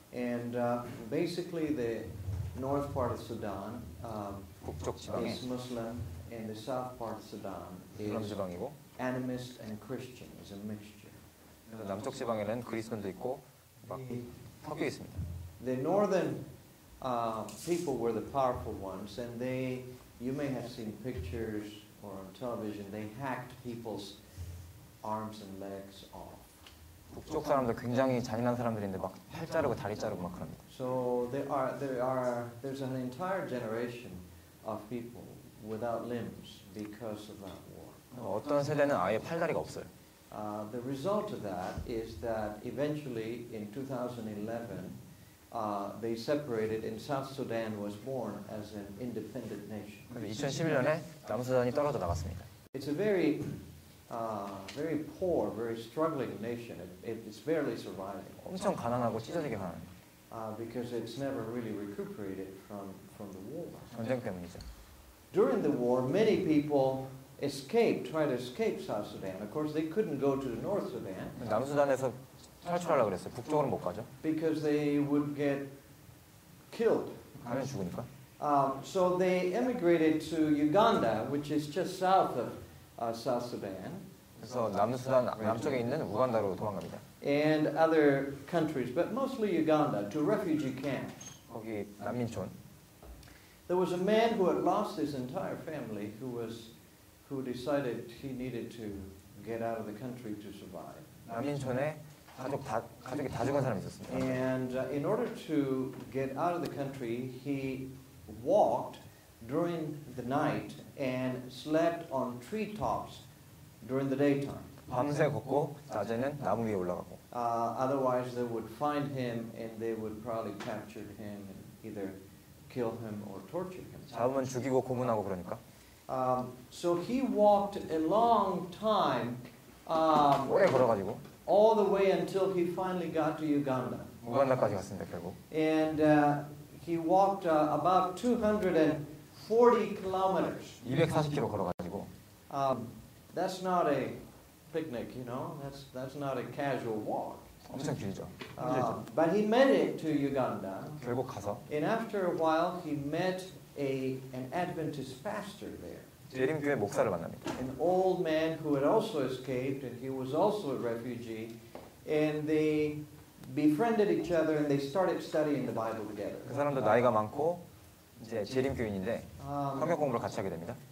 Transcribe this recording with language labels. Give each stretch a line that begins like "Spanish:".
English: And basically the north part of Sudan is Muslim, and the south part of Sudan is animist and Christian, is a mixture.
Korean: 남쪽 지방에는 그리스도인도 있고 막 섞여 있습니다.
English: The northern people were the powerful ones, and they, you may have seen pictures or on television, they hacked people's arms and legs off.
Korean: 북쪽 사람들 굉장히 잔인한 사람들인데 막 팔 자르고 다리 자르고 막 그럽니다.
English: So there's an entire generation of people without limbs because of that war.
Korean: 어떤 세대는 아예 팔다리가 없어요.
English: The result of that is that eventually in 2011 they separated and South Sudan was born as an independent nation.
Korean: 2011년에 남수단이 떨어져 나갔습니다.
English: It's a very very poor, very struggling nation. It's barely surviving.
Korean: 엄청 가난하고 찢어지게 가난.
English: Because it's never really recuperated from the war.
Korean: 전쟁 때문이죠.
English: During the war, many people escaped, tried to escape South Sudan. Of course, they couldn't go to the North Sudan.
Korean: 남수단에서 탈출하려고 그랬어요. 북쪽으로 못 가죠.
English: Because they would get killed.
Korean: 가면 죽으니까.
English: So they emigrated to Uganda, which is just south of South Sudan.
Korean: 그래서 남수단 남쪽에 있는 우간다로 도망갑니다.
English: And other countries, but mostly Uganda, to refugee camps.
Korean: 거기 난민촌.
English: There was a man who had lost his entire family, who decided he needed to get out of the country to survive.
Korean: 난민촌에 가족이 다 죽은 사람이 있었습니다.
English: And in order to get out of the country, he walked during the night and slept on treetops during the daytime.
Korean: 밤새 걷고 낮에는 나무 위에 올라가고.
English: Otherwise they would find him and they would probably capture him and either kill him or torture him.
Korean: 잡으면 죽이고 고문하고 그러니까.
English: So he walked a long time.
Korean: 오래 걸어가지고.
English: All the way until he finally got to Uganda.
Korean: 우간다까지 갔습니다 결국.
English: And he walked about 240 kilometers.
Korean: 240km 걸어가지고.
English: That's not a picnic, you know. That's not a casual walk.
Korean: 엄청 길죠.
English: But he made it to Uganda.
Korean: 결국 가서.
English: And after a while, he met an Adventist pastor there.
Korean: 예림교회 목사를 만납니다.
English: An old man who had also escaped, and he was also a refugee, and they befriended each other, and they started studying the Bible together.
Korean: 그 사람도 나이가 많고. 이제 재림 교인인데 성경 공부를 같이 하게 됩니다.